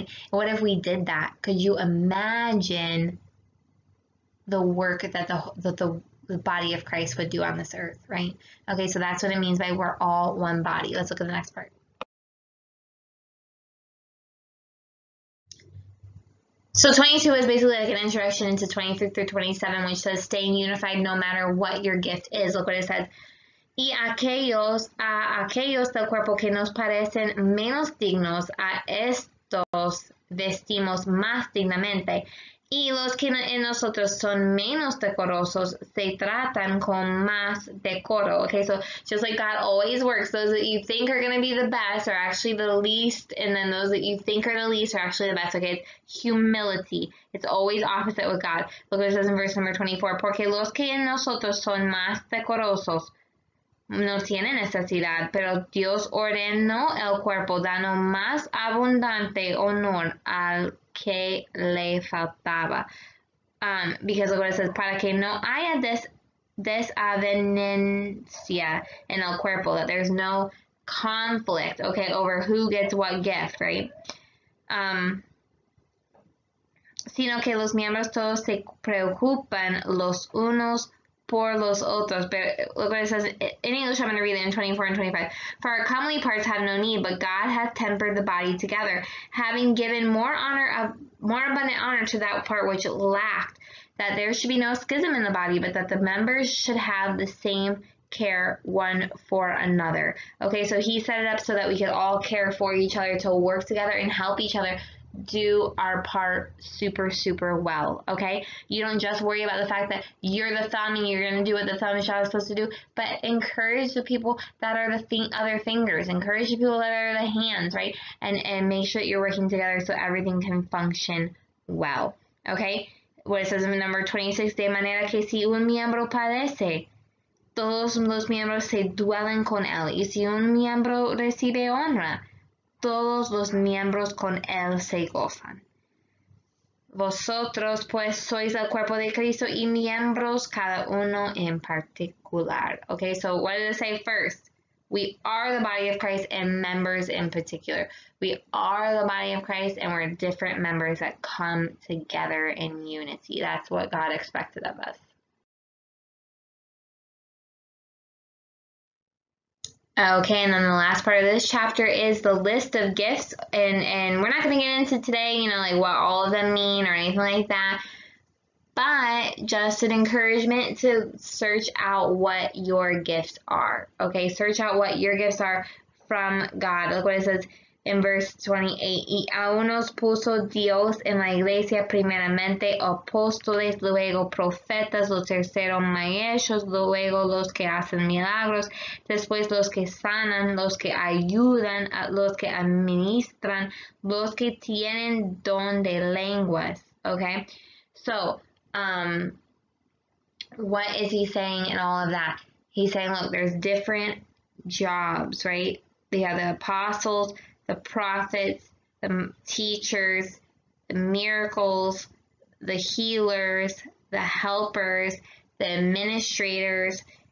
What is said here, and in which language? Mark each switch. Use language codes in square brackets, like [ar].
[en] And what if we did that? Could you imagine the work that the body of Christ would do on this earth, right? Okay, so that's what it means by we're all one body. Let's look at the next part. So 22 is basically like an introduction into 23 through 27, which says staying unified no matter what your gift is. Look what it says. [es] Y aquellos a aquellos del cuerpo que nos parecen menos dignos a estos vestimos más dignamente. Y los que en nosotros son menos decorosos se tratan con más decoro. [en] Okay, so just like God always works, those that you think are going to be the best are actually the least, and then those that you think are the least are actually the best. Okay, it's humility. It's always opposite with God. Look what it says in verse number 24. [es] Porque los que en nosotros son más decorosos no tienen necesidad, pero Dios ordenó el cuerpo dando más abundante honor al que le faltaba. [en] Because look what it says, [es] para que no haya desavenencia en el cuerpo, [en] that there's no conflict, okay, over who gets what gift, right? [es] Sino que los miembros todos se preocupan los unos por los otros. [en] But look what it says in English. I'm going to read it in 24 and 25. For our comely parts have no need, but God hath tempered the body together, having given more abundant honor to that part which lacked, that there should be no schism in the body, but that the members should have the same care one for another. Okay, so he set it up so that we could all care for each other, to work together and help each other do our part super, super well. Okay, you don't just worry about the fact that you're the thumb and you're going to do what the thumb shot is supposed to do, but encourage the people that are the other fingers, encourage the people that are the hands, right? And make sure that you're working together so everything can function well. Okay, what it says in number 26, [es] de manera que si un miembro padece, todos los miembros se duelen con él, y si un miembro recibe honra, todos los miembros con él se gozan. Vosotros, pues, sois el cuerpo de Cristo y miembros cada uno en particular. [en] Okay, so what did it say first? We are the body of Christ and members in particular. We are the body of Christ and we're different members that come together in unity. That's what God expected of us. Okay, and then the last part of this chapter is the list of gifts, and we're not going to get into today, you know, like what all of them mean or anything like that, but just an encouragement to search out what your gifts are. Okay, search out what your gifts are from God. Look what it says in verse 28. [es] Y a unos puso Dios en la iglesia primeramente, apóstoles, luego profetas, los terceros maestros, luego los que hacen milagros, después los que sanan, los que ayudan, los que administran, los que tienen don de lenguas. [en] Okay, so what is he saying in all of that? He's saying, look, there's different jobs, right? They have the apostles, the prophets, the teachers, the miracles, the healers, the helpers, the administrators,